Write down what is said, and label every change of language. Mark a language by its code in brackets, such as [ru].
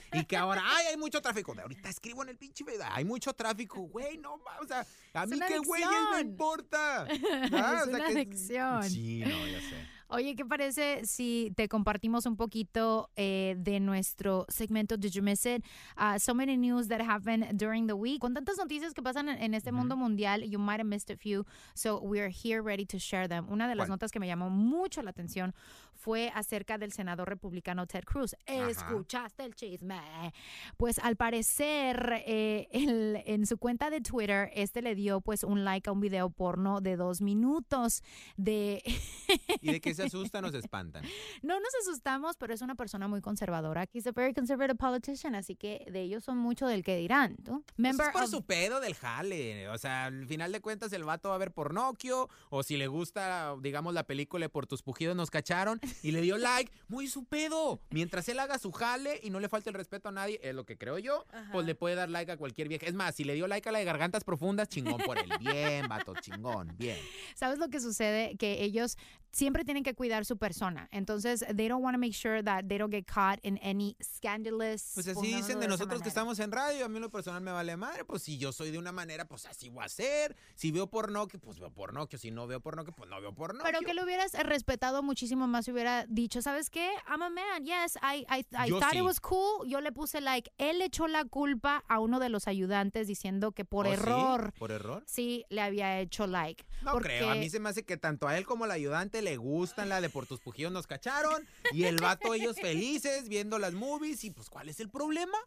[es] Y que ahora, ¡ay, hay mucho tráfico! De ahorita escribo en el pinche video, ¡hay mucho tráfico! ¡Güey, no, ma! O sea, ¡a es mí qué güey, no importa! ¿Ah? Es o sea, una adicción. Sí, no, ya sé. Oye, ¿qué parece si te compartimos un poquito de nuestro segmento Did You Miss It? [en] So many news that happen during the week. [es] Con tantas noticias que pasan en este mundo mundial, [en] you might have missed a few, so we are here ready to share them. [es] Una de las notas que me llamó mucho la atención fue acerca del senador republicano Ted Cruz. ¿Escuchaste el chisme? Pues al parecer, en su cuenta de Twitter, este le dio pues un like a un video porno de 2 minutos de... ¿Y de qué se asustan o se espantan? No nos asustamos, pero es una persona muy conservadora. [en] He's a very conservative politician, [es] así que de ellos son mucho del que dirán, ¿tú? Member es por su pedo del jale. O sea, al final de cuentas, el vato va a ver pornoquio, o si le gusta, digamos, la película Por Tus Pujidos Nos Cacharon, y le dio like, muy su pedo. Mientras él haga su jale y no le falte el respeto a nadie, es lo que creo yo, pues le puede dar like a cualquier vieja. Es más, si le dio like a la de Gargantas Profundas, chingón por él. Bien, vato, chingón, bien. ¿Sabes lo que sucede? Que ellos siempre tienen que cuidar su persona. Entonces, [en] they don't want to make sure that they don't get caught in any scandalous... [es] Pues así dicen de nosotros que estamos en radio. A mí lo personal me vale madre. Pues si yo soy de una manera, pues así voy a ser. Si veo porno, pues veo porno. Si no veo porno, pues no veo porno. Pero que lo hubieras respetado muchísimo más si hubiera dicho, ¿sabes qué? [en] I'm a man. Yes, I thought it was cool. [es] Yo le puse like. Él echó la culpa a uno de los ayudantes diciendo que por error... ¿Sí? ¿Por error? Sí, le había hecho like. No creo. A mí se me hace que tanto a él como al ayudante le gustan la de Por Tus Pujidos Nos Cacharon y el vato ellos felices viendo las movies y pues ¿cuál es el problema?